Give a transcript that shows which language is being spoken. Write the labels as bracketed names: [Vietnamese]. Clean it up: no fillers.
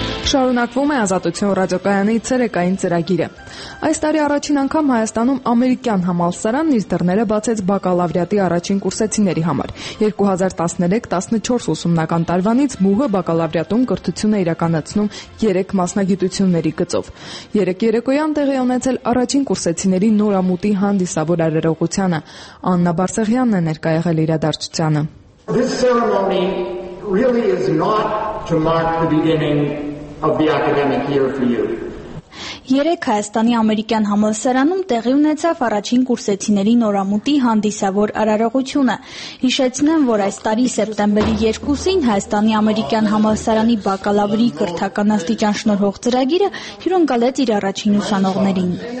[Armenian] Շարունակվում է Ազատություն ռադիոկայանի ցերեկային ծրագիրը։ Այս տարի առաջին անգամ Հայաստանում Ամերիկյան համալսարանն իր դռները բացեց բակալավրիատի առաջին կուրսեցիների համար։ 2013-14 ուսումնական տարվանից ՄՈՒՀ-ը բակալավրիատում կրթությունը իրականացնում 3 մասնագիտությունների գծով։ 3-3-օյան տեղի ունեցել առաջին կուրսեցիների նորամուտի հանդիսավոր արարողությանը։ Աննա Բարսեղյանն է ներկա եղել իրադարձությանը։ [English] This ceremony really is not to mark the beginning of the academic year for you. [Armenian] Երեք Հայաստանի Ամերիկյան համալսարանում տեղի ունեցավ առաջին կուրսեցիների նորամուտի հանդիսավոր արարողությունը։ Հիշեցնեմ, որ այս տարի սեպտեմբերի 2-ին Հայաստանի Ամերիկյան համալսարանի բակալավրի կրթական աստիճան շնորհող ծրագիրը հյուրընկալեց իր առաջին ուսանողներին։